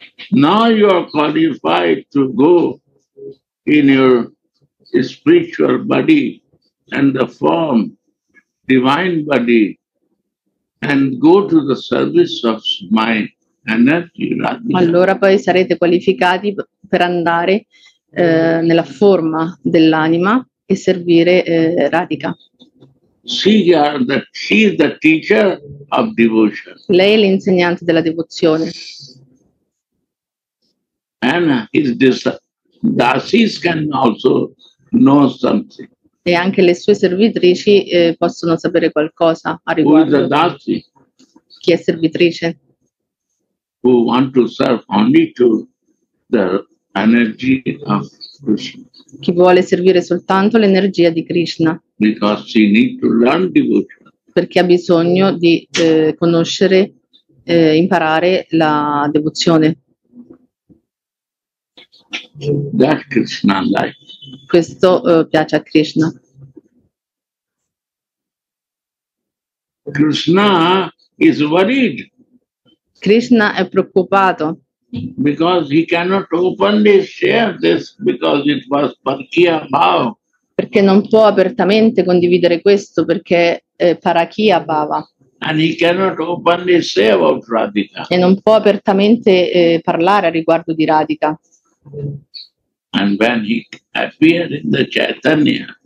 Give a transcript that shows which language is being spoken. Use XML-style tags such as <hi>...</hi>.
<en>Now you are qualified to go in your spiritual body and the form, divine body, and go to the service of my energy.</en> <it>Allora poi sarete qualificati per andare nella forma dell'anima e servire Radhika.</it> <en>She is the teacher of devotion.</en> <it>Lei è l'insegnante della devozione.</it> <en>And his dasis can also know something.</en> <it>E anche le sue servitrici possono sapere qualcosa a riguardo. Dasi? Chi è servitrice?</it> <en>Who want to serve only to the energy of Krishna.</en> <it>Chi vuole servire soltanto l'energia di Krishna.</it> <en>Because she need to learn devotion.</en> <it>Perché ha bisogno di conoscere, imparare la devozione.</it> <en>That Krishna life.</en> <it>Questo piace a Krishna.</it> <en>Krishna is worried.</en> <it>Krishna è preoccupato.</it> <en>Because he cannot openly share this because it was parakiya bhava.</en> <it>Perché non può apertamente condividere questo perché parakiya bhava.</it> <en>And he cannot openly say about Radhika.</en> <it>E non può apertamente parlare a riguardo di Radhika.</it> <en>And when he appeared in the Chaitanya,</en>